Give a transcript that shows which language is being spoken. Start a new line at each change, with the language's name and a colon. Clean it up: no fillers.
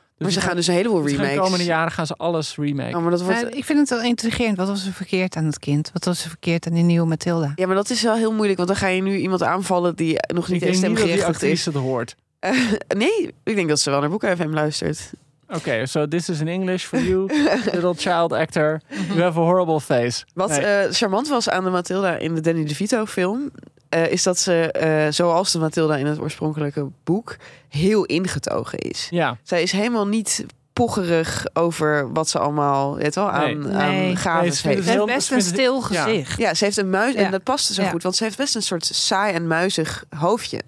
Dutch: Dus maar ze gaan dus een heleboel remakes. De komende jaren gaan ze alles remaken. Oh, maar dat wordt... Ik vind het wel intrigerend. Wat was er verkeerd aan het kind? Wat was er verkeerd aan die nieuwe Mathilda? Ja, maar dat is wel heel moeilijk. Want dan ga je nu iemand aanvallen die nog niet eens stemgerechtigd is. Ik denk niet dat die actrice het hoort. Nee, ik denk dat ze wel naar Boeken FM luistert.
English: Okay, so this is in English for you, little child actor. You have a horrible face.
Dutch: Wat charmant was aan de Matilda in de Danny DeVito film... is dat ze, zoals de Matilda in het oorspronkelijke boek... heel ingetogen is. Ja. Zij is helemaal niet... poggerig over wat ze allemaal weet wel, aan gaven heeft. Ze heeft best een stil gezicht. Ja, ze heeft een muis en dat past zo goed. Want ze heeft best een soort saai en muizig hoofdje.